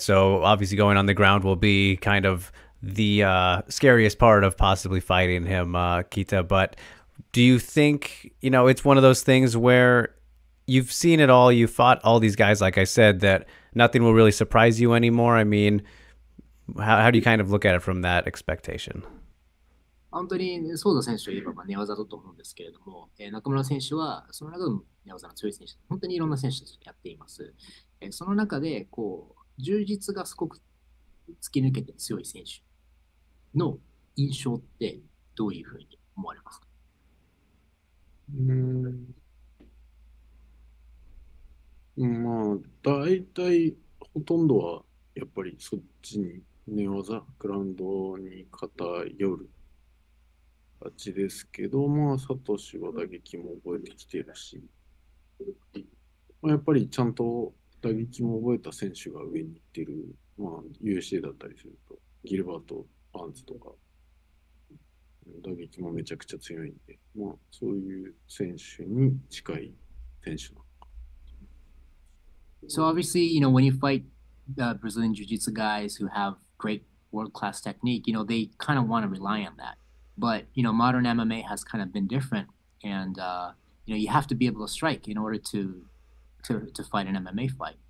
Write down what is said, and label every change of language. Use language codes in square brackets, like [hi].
[en] So obviously, going on the ground will be kind of the scariest part of possibly fighting him, Keita. But do you think, you know, it's one of those things where you've seen it all, you fought all these guys, like I said, that nothing will really surprise you anymore? I mean, how do you kind of look at it from that expectation? [ja] 本当に、ソウザ選手といえば、まあ、寝技だと思うんですけれども、中村選手は、その中でも寝技の強い選手、本当にいろんな選手とやっています。その中で、こう、充実がすごく突き抜けて強い選手の印象ってどういうふうに思われますか？まあ、大体、ほとんどは、やっぱりそっちに寝技、グラウンドに偏る。勝ちですけど、まあサトシは打撃も覚えてきてるし、まあ、やっぱりちゃんと打撃も覚えた選手が上に行ってる、まあ UFC だったりするとギルバート・バーンズとか打撃もめちゃくちゃ強いんで、まあそういう選手に近い選手なのか。 [en] So obviously, you know, when you fight the Brazilian Jiu-Jitsu guys who have great world-class technique, you know, they kind of want to rely on that. But, you know, modern MMA has kind of been different. And, you know, you have to be able to strike in order to fight an MMA fight.